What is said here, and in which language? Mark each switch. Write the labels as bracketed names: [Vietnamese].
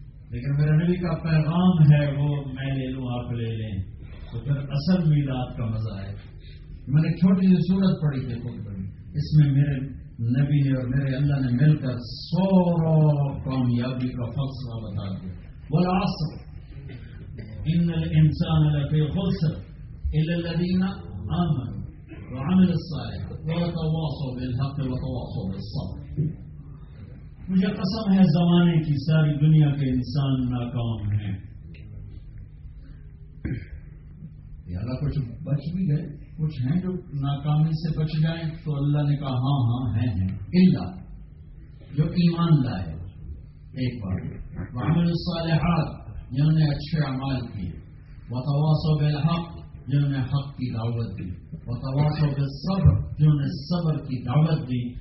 [Urdu] لیکن میرے نبی کا پیغام ہے وہ میں لے لوں آپ لے لیں تو پھر اصل میلاد کا مزہ ہے. میں نے چھوٹی سی صورت پڑھی تھی خود پڑھی, اس میں میرے نبی نے اور میرے اللہ نے مل کر سو کامیابی کا فلسفہ بتا دیا. [Arabic] والعصر ان الانسان لفی خسر الا الذین آمنوا وعملوا الصالحات وتواصوا بالحق وتواصوا بالصبر. [Urdu] مجھے قسم ہے زمانے کی ساری دنیا کے انسان ناکام ہیں. یار کچھ بچ بھی گئے, کچھ ہیں جو ناکامی سے بچ جائیں تو اللہ نے کہا ہاں ہاں ہیں ہیں. الا جو ایمان لائے ایک بار, وعمل الصالحات جنہوں نے اچھے اعمال کیے, وتواصوا بالحق جنہوں نے حق کی دعوت دی, وتواصوا بالصبر جنہوں نے صبر کی دعوت دی.